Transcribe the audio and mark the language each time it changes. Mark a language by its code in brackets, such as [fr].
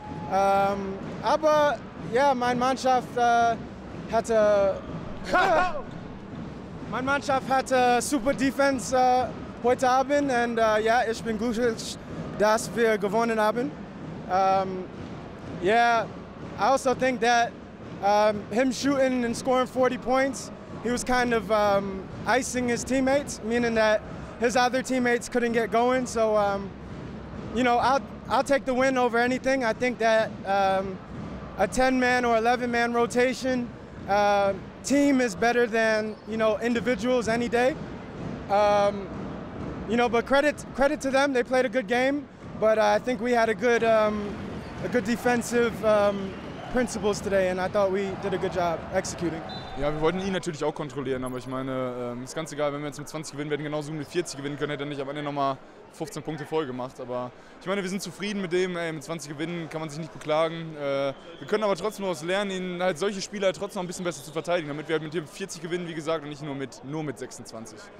[de] Aber ja, meine Mannschaft hatte. Meine Mannschaft hatte super Defense heute Abend und ja, ich bin gut, dass wir gewonnen haben. [en] Yeah, I also think that him shooting and scoring 40 points, he was kind of icing his teammates, meaning that his other teammates couldn't get going. So, you know, I'll take the win over anything. I think that a 10-man or 11-man rotation team is better than, you know, individuals any day. You know, but credit to them. They played a good game, but I think we had a good defensive principles today, and I thought we did a good job executing. [de] Ja, wir wollten ihn natürlich auch kontrollieren, aber ich meine, ist ganz egal, wenn wir jetzt mit 20 gewinnen, wir hätten genauso mit 40 gewinnen können, hätte er nicht am Ende nochmal 15 Punkte voll gemacht. Aber ich meine, wir sind zufrieden mit dem, ey, mit 20 gewinnen kann man sich nicht beklagen. Wir können aber trotzdem was lernen, ihn halt solche Spieler halt trotzdem ein bisschen besser zu verteidigen, damit wir halt mit dir 40 gewinnen, wie gesagt, und nicht nur mit 26.